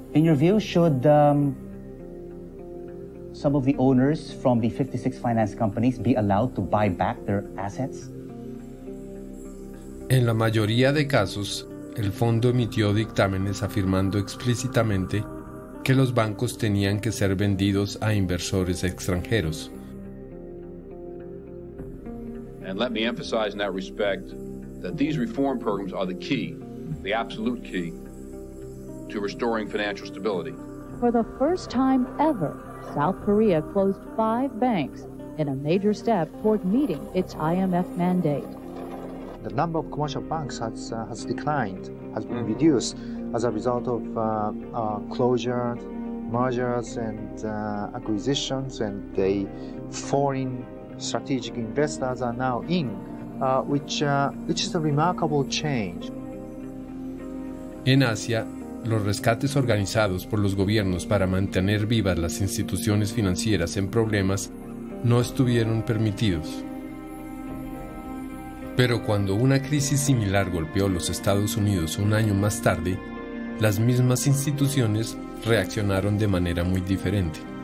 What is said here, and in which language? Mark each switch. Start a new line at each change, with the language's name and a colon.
English: In your view, should some of the owners from the 56 finance companies be allowed to buy back their assets?
Spanish: En la mayoría de casos, el fondo emitió dictámenes afirmando explícitamente que los bancos tenían que ser vendidos a inversores extranjeros.
English: And let me emphasize in that respect that these reform programs are the key, the absolute key, to restoring financial stability. For the first time ever, South Korea closed 5 banks in a major step toward meeting its IMF mandate. The number of commercial banks has been reduced as a result of closure, mergers and acquisitions, and the foreign strategic investors are now in, which is a remarkable change.
Spanish: En Asia, los rescates organizados por los gobiernos para mantener vivas las instituciones financieras en problemas no estuvieron permitidos. Pero cuando una crisis similar golpeó los Estados Unidos un año más tarde, las mismas instituciones reaccionaron de manera muy diferente.